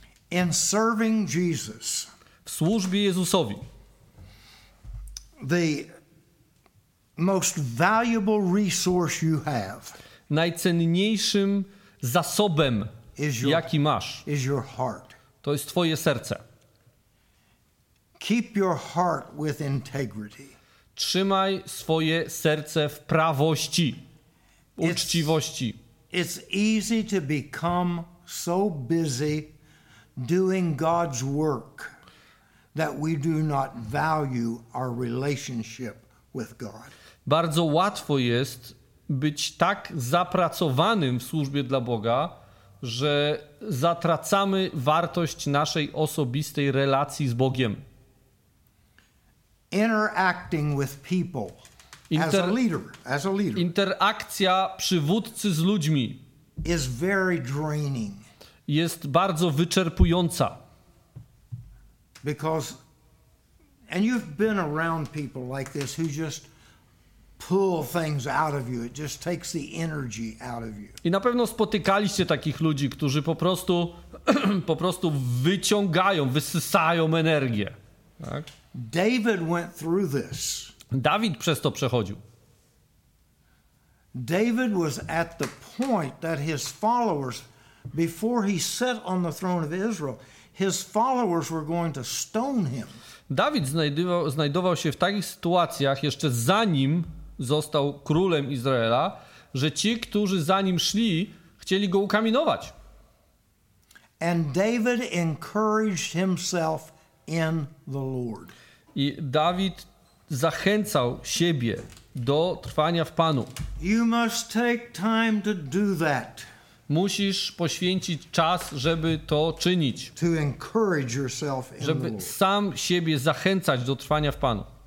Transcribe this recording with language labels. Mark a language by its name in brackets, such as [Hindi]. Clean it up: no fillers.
[English] In serving Jesus, [Polish] w służbie Jezusowi. [English] The most valuable resource you have. [Polish] Najcenniejszym zasobem, jaki masz, [English] is your heart. [Polish] To jest twoje serce. [English] Keep your heart with integrity. [Polish] Trzymaj swoje serce w prawości, uczciwości. [English] It's easy to become so busy doing God's work that we do not value our relationship with God. [Polish] Bardzo łatwo jest być tak zapracowanym w służbie dla Boga, że zatracamy wartość naszej osobistej relacji z Bogiem. [English] Interacting with people as a leader. [Polish] Interakcja przywódcy z ludźmi [English] is very draining. [Polish] Jest bardzo wyczerpująca. [English] Because, and you've been around people like this who just pull things out of you. It just takes the energy out of you. [Polish] I na pewno spotykaliście takich ludzi, którzy po prostu wyciągają, wysysają energię. Tak? [English] David went through this. [Polish] Dawid przez to przechodził. [English] David was at the point that his followers, before he sat on the throne of Israel, his followers were going to stone him. [Polish] Dawid znajdował się w takich sytuacjach, jeszcze zanim został królem Izraela, że ci, którzy za nim szli, chcieli go ukamienować. [English] And David encouraged himself in the Lord. [Polish] I Dawid zachęcał siebie do trwania w Panu. [English] You must take time to do that. [Polish] Musisz poświęcić czas, żeby to czynić. [English] To encourage yourself in [Polish] żeby [English] the Lord. [Polish] Sam siebie zachęcać do trwania w Panu.